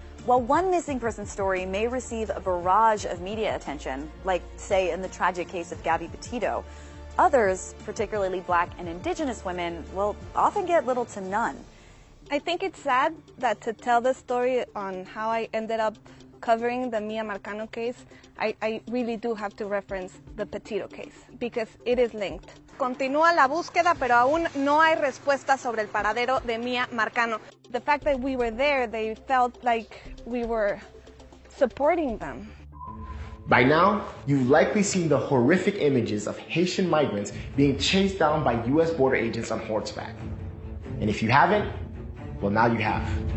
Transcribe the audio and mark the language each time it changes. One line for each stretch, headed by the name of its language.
English: While one missing person story may receive a barrage of media attention, like say in the tragic case of Gabby Petito, others, particularly black and indigenous women, will often get little to none. I think it's sad that to tell the story on how I ended up covering the Mia Marcano case, I really do have to reference the Petito case because it is linked.
Spanish: Continúa la búsqueda, pero aún no hay respuesta sobre el paradero de Mia Marcano.
English: The fact that we were there, they felt like we were supporting them. By now, you've likely seen the horrific images of Haitian migrants being chased down by U.S. border agents on horseback. And if you haven't, well, now you have.